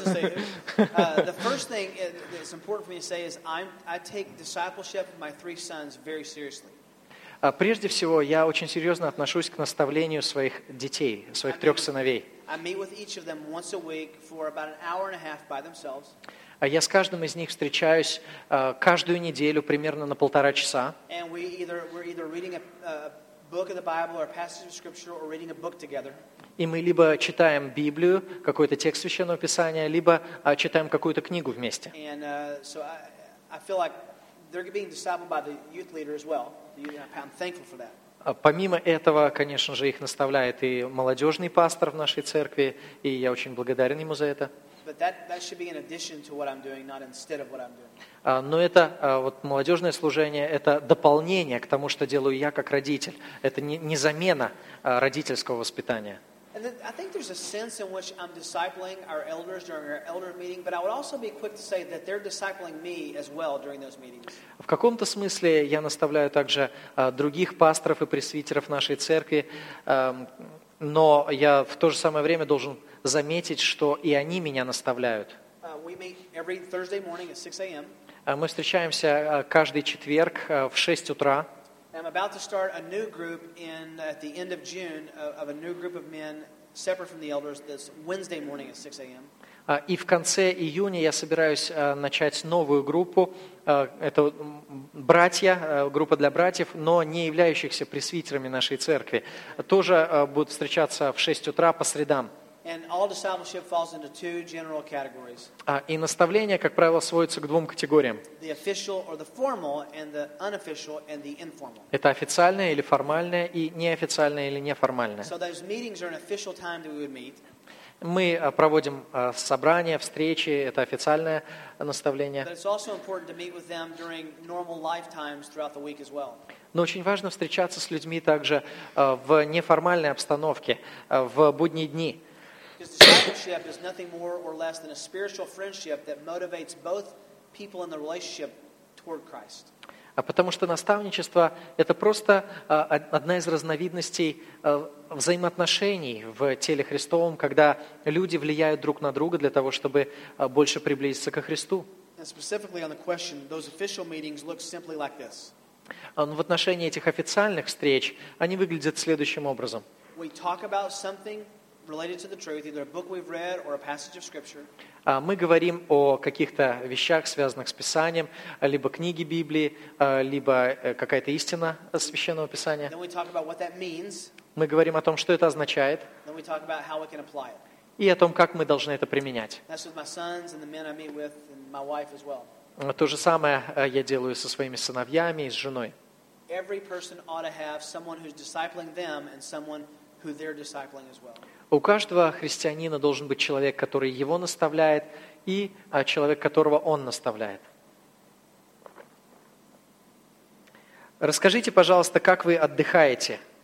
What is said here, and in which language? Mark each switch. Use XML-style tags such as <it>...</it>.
<en>The first thing that's important for me to say is I take discipleship of my three sons very seriously.</en> <ru>Прежде всего, я очень серьезно отношусь к наставлению своих детей, своих трех сыновей.</ru> <en>I meet with each of them once a week for about an hour and a half by themselves.</en> <ru>Я с каждым из них встречаюсь каждую неделю примерно на полтора часа.</ru> <en>And we're either reading a book of the Bible or a passage of scripture or reading a book together.</en> <ru>И мы либо читаем Библию, какой-то текст Священного Писания, либо читаем какую-то книгу вместе.</ru> <en>And so I feel like they're being discipled by the youth leader as well. I'm thankful for that.</en> <ru>Помимо этого, конечно же, их наставляет и молодежный пастор в нашей церкви, и я очень благодарен ему за это.</ru> <en>But that should be in addition to what I'm doing, not instead of what I'm doing.</en> <ru>Но это вот молодежное служение, это дополнение к тому, что делаю я как родитель. Это не замена родительского воспитания.</ru> <en>And then, I think there's a sense in which I'm discipling our elders during our elder meeting, but I would also be quick to say that they're discipling me as well during those meetings.</en> <ru>В каком-то смысле я наставляю также других пасторов и пресвитеров нашей церкви, но я в то же самое время должен заметить, что и они меня наставляют.</ru> <en>We meet every Thursday morning at 6 a.m.</en> <ru>Мы встречаемся каждый четверг в 6 утра.</ru> <en>I'm about to start a new group at the end of June of a new group of men separate from the elders this Wednesday morning at 6 a.m.</en> <ru>И в конце июня я собираюсь начать новую группу. Это братья, группа для братьев, но не являющихся пресвитерами нашей церкви. Тоже будут встречаться в 6 утра по средам.</ru> <en>And all discipleship falls into two general categories.</en> <ru>И наставление, как правило, сводится к двум категориям.</ru> <en>The official or the formal, and the unofficial and the informal.</en> <ru>Это официальное или формальное, и неофициальное или неформальное.</ru> <en>So those meetings are an official time that we would meet.</en> <ru>Мы проводим собрания, встречи, это официальное наставление.</ru> <en>But it's also important to meet with them during normal life times throughout the week as well.</en> <ru>Но очень важно встречаться с людьми также в неформальной обстановке, в будние дни.</ru> <en>Discipleship is nothing more or less than a spiritual friendship that motivates both people in the relationship toward Christ.</en> <ru>Потому что наставничество это просто одна из разновидностей взаимоотношений в теле Христовом, когда люди влияют друг на друга для того, чтобы больше приблизиться ко Христу.</ru> <en>And specifically on the question, those official meetings look simply like this.</en> <ru>В отношении этих официальных встреч они выглядят следующим образом.</ru> <en>We talk about something related to the truth, either a book we've read or a passage of scripture.</en> <ru>Мы говорим о каких-то вещах, связанных с Писанием, либо книги Библии, либо какая-то истина Священного Писания.</ru> <en>Then we talk about what that means.</en> <ru>Мы говорим о том, что это означает.</ru> <en>Then we talk about how we can apply it.</en> <ru>И о том, как мы должны это применять.</ru> <en>That's with my sons and the men I meet with, and my wife as well.</en> <ru>То же самое я делаю со своими сыновьями и с женой.</ru> <en>Every person ought to have someone who's discipling them and someone who they're discipling as well.</en> <ru>У каждого христианина должен быть человек, который его наставляет, и человек, которого он наставляет. Расскажите, пожалуйста, как вы отдыхаете?</ru>